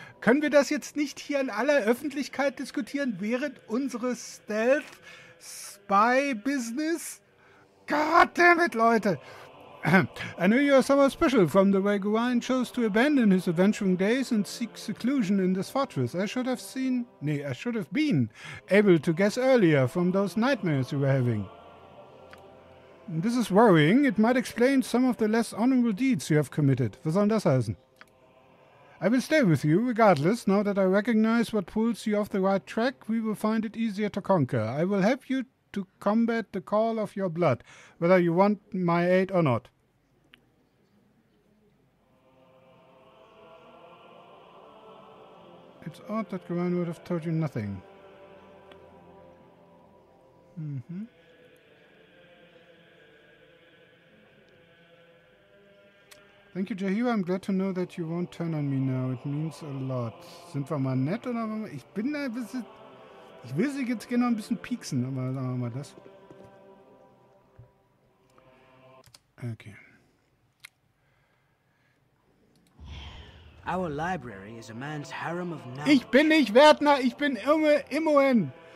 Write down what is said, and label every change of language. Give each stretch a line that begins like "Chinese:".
German: Können wir das jetzt nicht hier in aller Öffentlichkeit diskutieren, während unseres Stealth-Spy-Business?
English: God damn it,
German: Leute!
English: I knew you were somehow special from the way Gawain chose to abandon his adventuring days and seek seclusion in this fortress. I should have been able to guess earlier from those nightmares you were having. This is worrying. It might explain some of the less honorable deeds you have committed.
German: Was soll das heißen?
English: I will stay with you, regardless. Now that I recognize what pulls you off the right track, we will find it easier to conquer. I will help you to combat the call of your blood, whether you want my aid or not. It's odd that Gawain would have told you nothing. Thank you, Jahira. I'm glad to know that you won't turn on me now. It means a lot.
German: Sind wir mal nett oder was? Ich bin da ein bisschen... Ich will sie jetzt gerne noch ein bisschen pieksen, aber sagen wir mal das. Okay.
English: Our library is a man's harem of knowledge.
German: Ich bin nicht Wärtner, ich bin irgendwie Imoen.